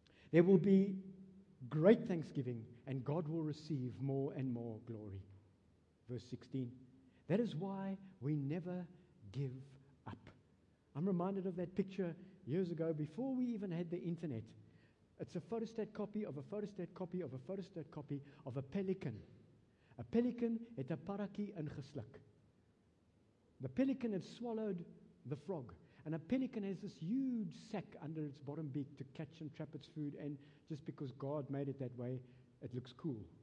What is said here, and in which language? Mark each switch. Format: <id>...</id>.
<en>There will be great thanksgiving and God will receive more and more glory. Verse 16, that is why we never give up. I'm reminded of that picture years ago before we even had the internet. It's a photostat copy of a photostat copy of a photostat copy of a pelican.</en> <af>A pelican het 'n parakie ingesluk.</af> <en>The pelican had swallowed the frog. And a pelican has this huge sack under its bottom beak to catch and trap its food. And just because God made it that way, it looks cool.</en>